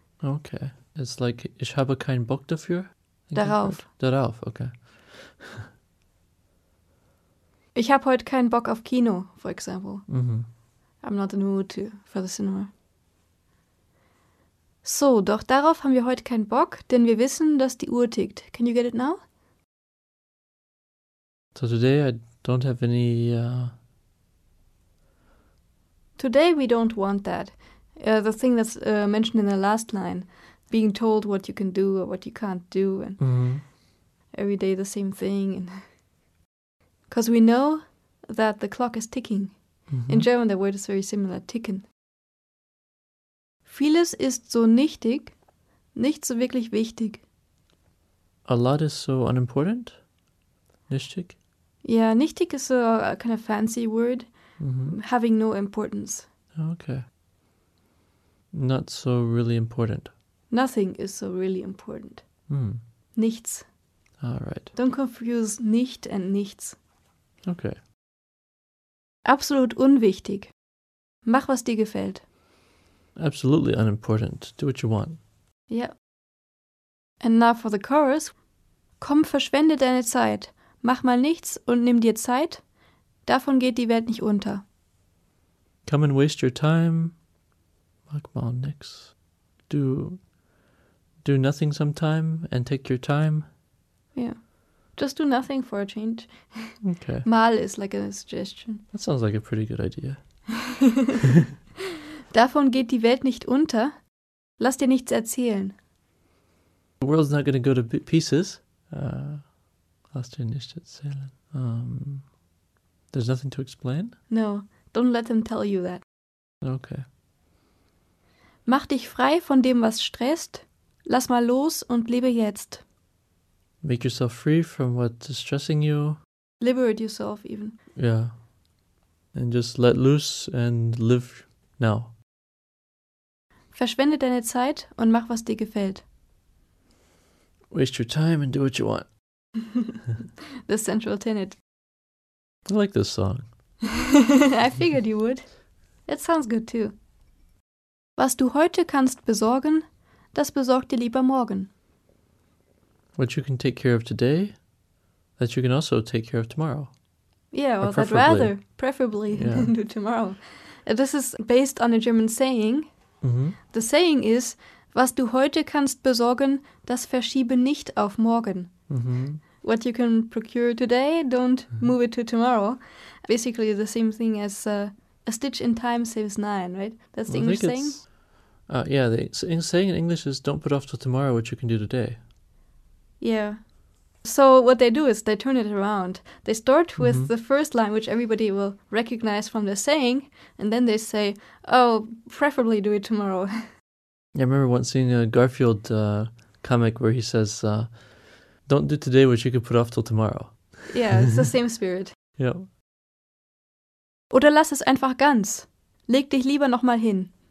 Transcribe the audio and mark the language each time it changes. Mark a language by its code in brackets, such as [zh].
[en] Okay. It's like, [de] ich habe keinen Bock dafür. Darauf. Darauf, okay. Ich habe heute keinen Bock auf Kino, [en] for example. Mm-hmm. I'm not in the mood for the cinema. [de] So, doch darauf haben wir heute keinen Bock, denn wir wissen, dass die Uhr tickt. [en] Can you get it now? So today I don't have any... Today we don't want that. The thing that's mentioned in the last line, being told what you can do or what you can't do, and every day the same thing. Because we know that the clock is ticking. Mm-hmm. In German, the word is very similar, ticken. [de] Vieles ist so nichtig, nicht so wirklich wichtig. [en] A lot is so unimportant? Nichtig? Yeah, nichtig is a kind of fancy word, having no importance. Okay. Not so really important. Nothing is so really important. [de] Nichts. [en] All right. Don't confuse nicht and nichts. Okay. [de] Absolut unwichtig. Mach, was dir gefällt. [en] Absolutely unimportant. Do what you want. Yeah. And now for the chorus. [de] Komm, verschwende deine Zeit. Mach mal nichts und nimm dir Zeit. Davon geht die Welt nicht unter. [en] Come and waste your time. [de] Mach mal nix. [en] Do nothing sometime and take your time. Yeah. Just do nothing for a change. Okay. Mal is like a suggestion. That sounds like a pretty good idea. [de] Davon geht die Welt nicht unter. Lass dir nichts erzählen. [en] The world's not going to go to pieces. [de] Lass dir nichts erzählen. [en] There's nothing to explain? No. Don't let them tell you that. Okay. [de] Mach dich frei von dem, was stresst. Lass mal los und lebe jetzt. [en] Make yourself free from what is stressing you. Liberate yourself even. Yeah. And just let loose and live now. [de] Verschwende deine Zeit und mach, was dir gefällt. [en] Waste your time and do what you want. The central tenet. I like this song. I figured you would. It sounds good too. [de] Was du heute kannst besorgen, das besorg dir lieber morgen. [en] What you can take care of today, that you can also take care of tomorrow. Yeah, well, I'd rather, preferably, yeah. Do tomorrow. This is based on a German saying. Mm-hmm. The saying is, [de] was du heute kannst besorgen, das verschiebe nicht auf morgen. Mm-hmm. [en] What you can procure today, don't move it to tomorrow. Basically the same thing as a stitch in time saves nine, right? That's the English saying? The saying in English is, don't put off till tomorrow what you can do today. Yeah. So what they do is they turn it around. They start with mm-hmm. the first line, which everybody will recognize from the saying, and then they say, oh, preferably do it tomorrow. Yeah, I remember once seeing a Garfield comic where he says, don't do today what you could put off till tomorrow. Yeah, it's the same spirit. Yeah. [de] Oder lass es einfach ganz. Leg dich lieber nochmal hin.